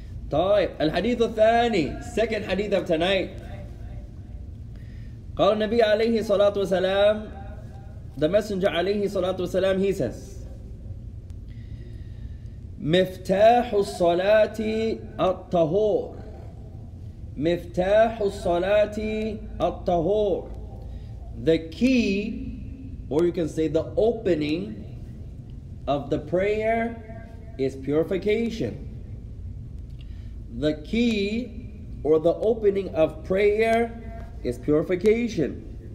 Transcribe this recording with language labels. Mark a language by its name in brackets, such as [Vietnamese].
[Arabic] طيب الحديث الثاني, [English] second hadith of tonight. [Arabic] قال النبي عليه الصلاة والسلام, [English] the messenger عليه الصلاة والسلام, he says, [Arabic] مفتاح الصلاة الطهور. مفتاح الصلاة الطهور. [English] The key, or you can say the opening of the prayer, is purification. The key, or the opening of prayer, is purification.